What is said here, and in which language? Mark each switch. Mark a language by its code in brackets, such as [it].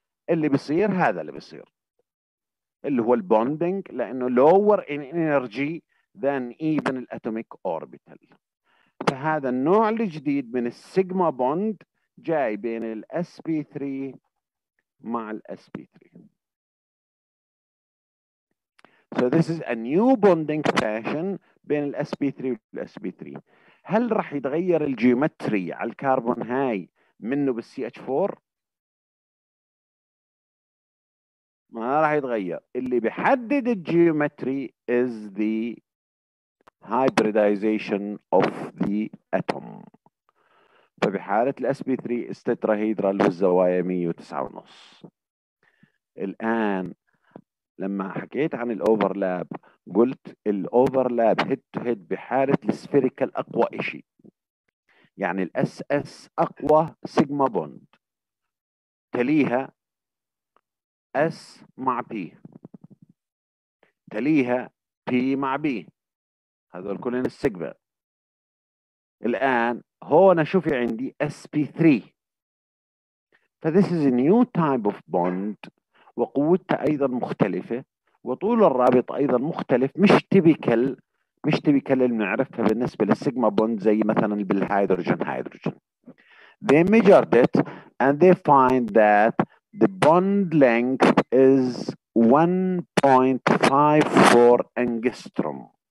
[ar] اللي بيصير هذا اللي بيصير اللي هو البوندينج، لانه [en] lower in energy than even [ar] الاتوميك اوربيتال. فهذا النوع الجديد من السيجما بوند جاي بين الـ sp3 مع الـ sp3. [en] So this is a new bonding fashion [ar] بين الـ sp3 والـ sp3. هل راح يتغير الجيومتري على الكربون هاي منه بالـ CH4؟ ما راح يتغير. اللي بيحدد الجيومتري [en] is the hybridization of the atom. [ar] فبحالة الـ sp3 استتراهيدرال والزوايا 109.5. الآن لما حكيت عن الأوفرلاب قلت الأوفرلاب هيد تو هيد بحالة السفيريكال أقوى إشي، يعني الـ SS أقوى سيجما بوند، تليها S مع P، تليها P مع B، هذول كلين السيجما. الآن هون شوفي عندي sp3، ف [en] this is a new type of bond [ar] وقوته أيضا مختلفة وطول الرابط أيضا مختلف، مش تبيكل اللي بنعرفها بالنسبة للسيجما بوند زي مثلا بالهيدروجين. [en] They measured it and they find that the bond length is 1.54 angstrom.